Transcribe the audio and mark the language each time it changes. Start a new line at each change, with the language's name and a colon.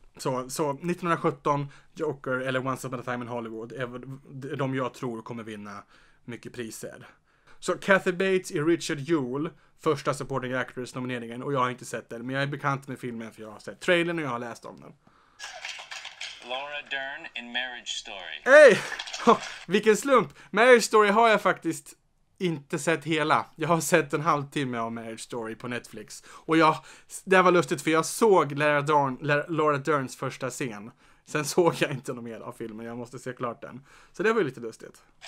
Swedish: Så 1917, Joker eller Once Upon a Time in Hollywood är de jag tror kommer vinna mycket priser. Så Kathy Bates i Richard Jewell, första supporting actress nomineringen, och jag har inte sett den, men jag är bekant med filmen för jag har sett trailern och jag har läst om den.
English: Laura Dern in Marriage Story.
Swedish: Hey! Vilken slump! Marriage Story har jag faktiskt inte sett hela. Jag har sett en halvtimme av Marriage Story på Netflix. Och jag, det var lustigt för jag såg Laura Derns första scen. Sen såg jag inte någon mer av filmen. Jag måste se klart den. Så det var ju lite lustigt.